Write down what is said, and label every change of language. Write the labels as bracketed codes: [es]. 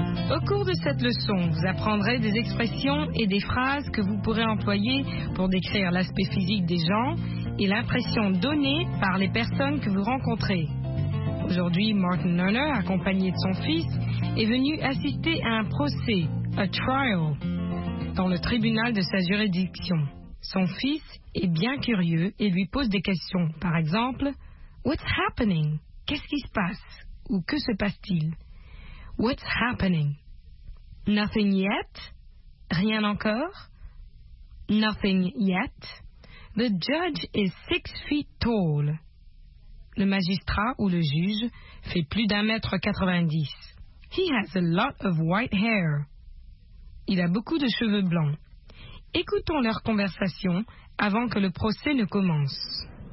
[fr] Au cours de cette leçon, vous apprendrez des expressions et des phrases que vous pourrez employer pour décrire l'aspect physique des gens et l'impression donnée par les personnes que vous rencontrez. Aujourd'hui, Martin Lerner, accompagné de son fils, est venu assister à un procès, [en] a trial, [fr] dans le tribunal de sa juridiction. Son fils est bien curieux et lui pose des questions. Par exemple, [en] What's happening? [fr] Qu'est-ce qui se passe? Ou que se passe-t-il? [en] What's happening? Nothing yet? [fr] Rien encore? [en] Nothing yet? The judge is 6 feet tall. [fr] Le magistrat ou le juge fait plus d'1m90. [en] He has a lot of white hair. [fr] Il a beaucoup de cheveux blancs. Écoutons leur conversation avant que le procès ne commence.